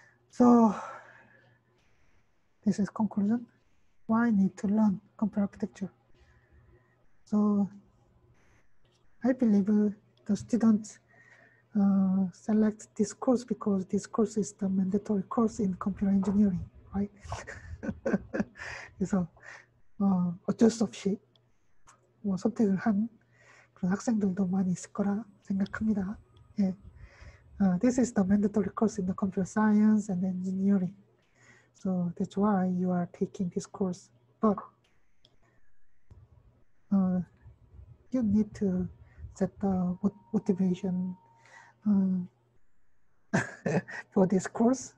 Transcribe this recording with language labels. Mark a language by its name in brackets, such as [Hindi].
[English] So this is conclusion. Why need to learn computer architecture? So I believe the students select this course because this course is the mandatory course in computer engineering, right? [Korean] So 어쩔 수 없이 뭐 선택을 한 그런 학생들도 많이 있을 거라 생각합니다. 예. [English] This is the mandatory course in the computer science and engineering. So that's why you are taking this course. But you need to set the motivation for this course.